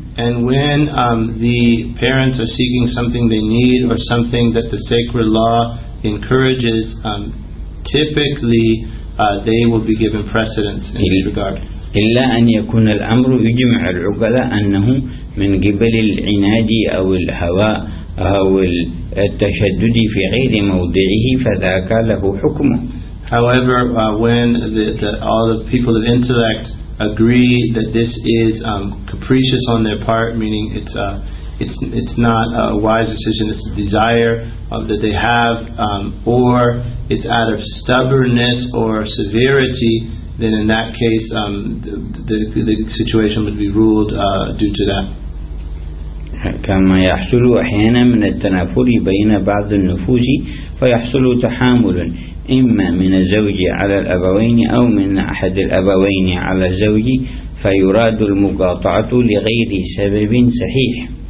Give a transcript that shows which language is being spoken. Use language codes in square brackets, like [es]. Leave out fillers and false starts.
[en] And when the parents are seeking something they need or something that the sacred law encourages, typically they will be given precedence in this regard. [ar] إلا أن يكون الأمر يجمع العقلاء أنه من قبل العناد أو الهوى أو التشدد في غير موضعه فذاك له حكمه. [en] However, when all the people of intellect agree that this is capricious on their part, meaning it's it's not a wise decision, it's a desire of that they have, or it's out of stubbornness or severity, then in that case the situation would be ruled due to that. [ar] كما يحصل أحيانا من التنافر بين بعض النفوس فيحصل تحامل إما من الزوج على الأبوين أو من أحد الأبوين على الزوج فيراد المقاطعة لغير سبب صحيح.